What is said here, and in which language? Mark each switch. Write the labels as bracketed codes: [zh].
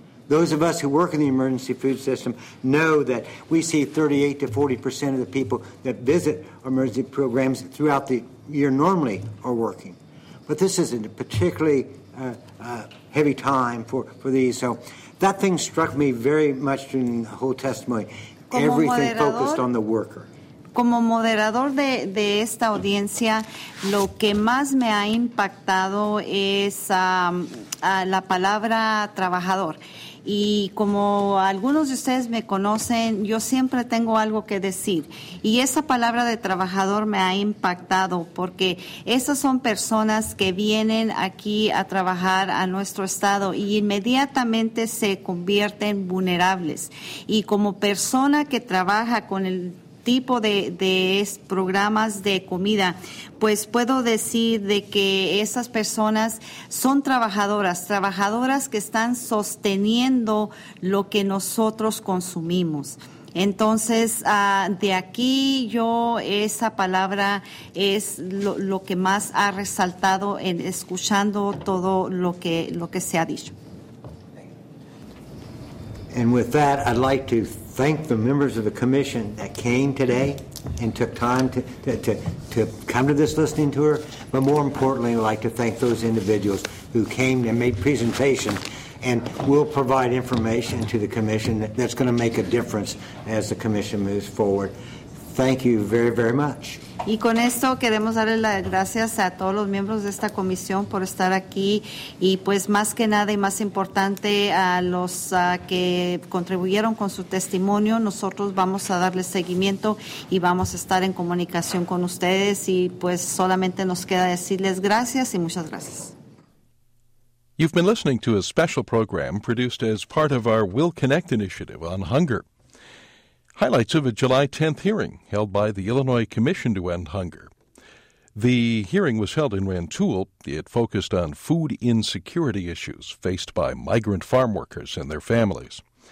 [en] Those of us who work in the emergency food system know that we see 38% to 40% of the people that visit emergency programs throughout the year normally are working. But this isn't a particularly heavy time for these. So that thing struck me very much during the whole testimony. Everything focused on the worker. [es] Como moderador de esta audiencia, lo que más me ha impactado es la palabra trabajador. Y como algunos de ustedes me conocen, yo siempre tengo algo que decir. Y esa palabra de trabajador me ha impactado porque esas son personas que vienen aquí a trabajar a nuestro estado y inmediatamente se convierten vulnerables. Y como persona que trabaja con el tipo de programas de comida, pues puedo decir de que esas personas son trabajadoras que están sosteniendo lo que nosotros consumimos. Entonces, de aquí yo, esa palabra es lo que más ha resaltado en escuchando todo lo que se ha dicho. [en] And with that, I'd like to thank the members of the commission that came today and took time to come to this listening tour. But more importantly, I'd like to thank those individuals who came and made presentations and will provide information to the commission that's going to make a difference as the commission moves forward. Thank you very, very much. [es] Y con esto queremos darle las gracias a todos los miembros de esta comisión por estar aquí y pues más que nada y más importante a los que contribuyeron con su testimonio. Nosotros vamos a darle seguimiento y vamos a estar en comunicación con ustedes y pues solamente nos queda decirles gracias y muchas gracias. [en] You've been listening to a special program produced as part of our Will Connect initiative on hunger. Highlights of a July 10th hearing held by the Illinois Commission to End Hunger. The hearing was held in Rantoul. It focused on food insecurity issues faced by migrant farm workers and their families.